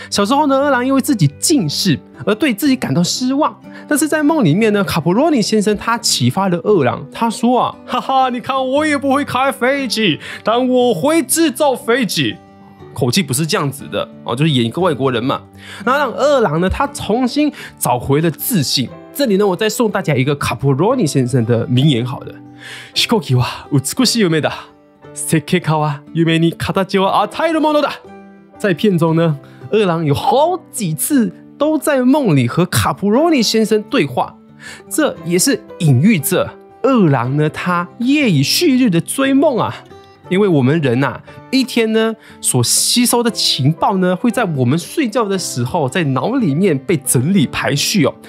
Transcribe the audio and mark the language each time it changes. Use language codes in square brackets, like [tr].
[zh] 小时候呢，二郎因为自己近视而对自己感到失望，但是在梦里面呢，卡普罗尼先生他启发了二郎，他说啊，哈哈，你看我也不会开飞机，但我会制造飞机。口气不是这样子的哦，就是演一个外国人嘛。那让二郎呢，他重新找回了自信。这里呢，我再送大家一个卡普罗尼先生的名言，好的， [ja] 飛行機は美しい夢だ。設計家は夢に形を与えるものだ。 [zh] 在片中呢，二郎有好几次都在梦里和卡普罗尼先生对话，这也是隐喻着二郎呢，他夜以续日的追梦啊。因为我们人啊，一天呢所吸收的情报呢，会在我们睡觉的时候在脑里面被整理排序哦。